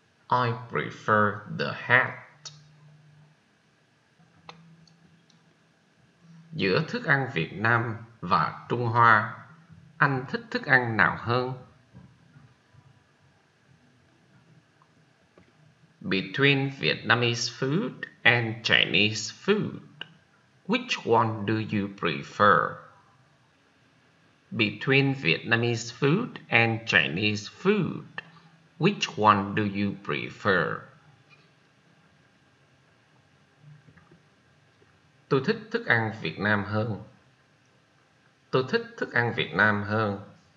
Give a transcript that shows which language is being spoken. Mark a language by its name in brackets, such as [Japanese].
[English] I prefer the hat. [Vietnamese] Giữa thức ăn Việt Nam và Trung Hoa, anh thích thức ăn nào hơn? [English] Between Vietnamese food and Chinese food, which one do you prefer? Between Vietnamese food and Chinese food, which one do you prefer? [Vietnamese] Tôi thích thức ăn Việt Nam hơn. Tôi thích thức ăn Việt Nam hơn.